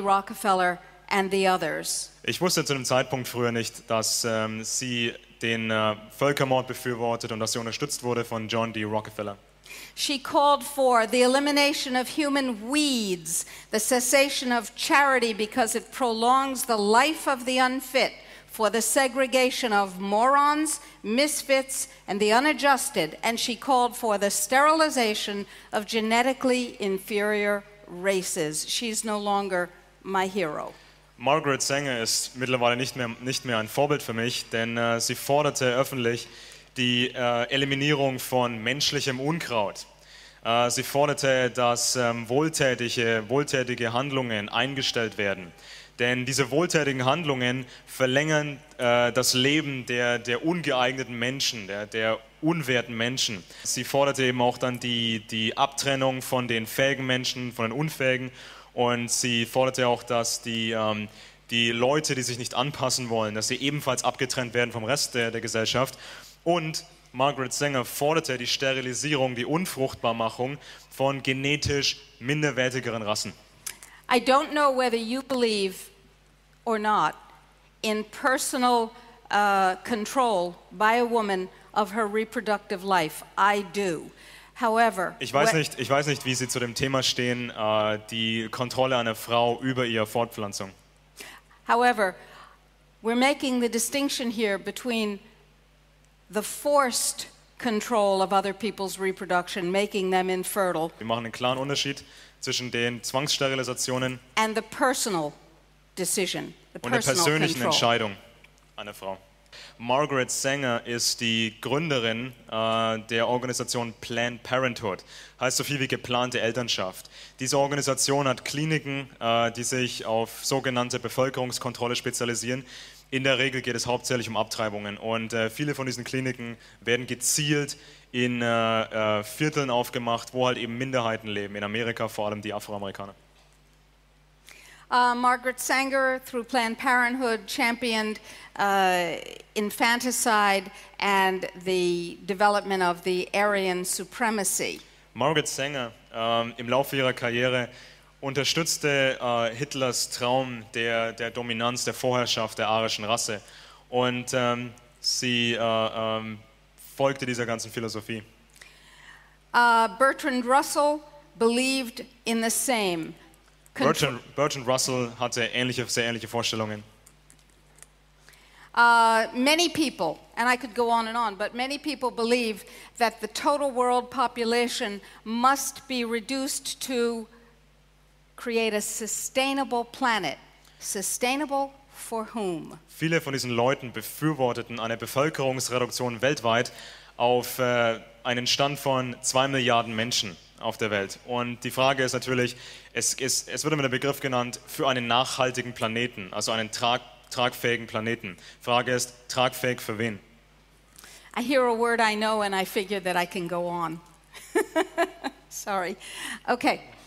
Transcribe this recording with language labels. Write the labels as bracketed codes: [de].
[en] Rockefeller and the others. [de] Ich wusste zu dem Zeitpunkt früher nicht, dass sie den Völkermord befürwortet und dass sie unterstützt wurde von John D. Rockefeller. [en] She called for the elimination of human weeds, the cessation of charity because it prolongs the life of the unfit, for the segregation of morons, misfits, and the unadjusted, and she called for the sterilization of genetically inferior races. She's no longer my hero. [de] Margaret Sanger ist mittlerweile nicht mehr ein Vorbild für mich, denn sie forderte öffentlich die Eliminierung von menschlichem Unkraut. Sie forderte, dass wohltätige Handlungen eingestellt werden. Denn diese wohltätigen Handlungen verlängern das Leben der ungeeigneten Menschen, der unwerten Menschen. Sie forderte eben auch dann die Abtrennung von den fähigen Menschen, von den unfähigen. Und sie forderte auch, dass die Leute, die sich nicht anpassen wollen, dass sie ebenfalls abgetrennt werden vom Rest der Gesellschaft. Und Margaret Sanger forderte die Sterilisierung, die Unfruchtbarmachung von genetisch minderwertigeren Rassen. [en] I don't know whether you believe or not in personal control by a woman of her reproductive life. I do. However, [de] ich weiß nicht, wie Sie zu dem Thema stehen, die Kontrolle einer Frau über ihre Fortpflanzung. [en] However, we're making the distinction here between the forced control of other people's reproduction, making them infertile. [de] Wir machen einen klaren Unterschied zwischen den Zwangssterilisationen [en] and the personal decision, [de] und der persönlichen Entscheidung einer Frau. Margaret Sanger ist die Gründerin der Organisation Planned Parenthood, heißt so viel wie geplante Elternschaft. Diese Organisation hat Kliniken, die sich auf sogenannte Bevölkerungskontrolle spezialisieren. In der Regel geht es hauptsächlich um Abtreibungen und viele von diesen Kliniken werden gezielt in Vierteln aufgemacht, wo halt eben Minderheiten leben, in Amerika vor allem die Afroamerikaner. [en] Margaret Sanger through Planned Parenthood championed infanticide and the development of the Aryan supremacy. [de] Margaret Sanger im Laufe ihrer Karriere unterstützte Hitlers Traum der Dominanz, der Vorherrschaft der arischen Rasse. Und sie folgte dieser ganzen Philosophie. [en] Bertrand Russell believed in the same. [de] Bertrand Russell hatte sehr ähnliche Vorstellungen. [en] Many people, and I could go on and on, but many people believe that the total world population must be reduced to create a sustainable planet. Sustainable for whom? [de] Viele von diesen Leuten befürworteten eine Bevölkerungsreduktion weltweit auf einen Stand von 2 Milliarden Menschen auf der Welt. Und die Frage ist natürlich, es wird immer der Begriff genannt für einen nachhaltigen Planeten, also einen tragfähigen Planeten. Frage ist, tragfähig für wen? [en] I hear a word I know and I figure that I can go on. Sorry. Okay.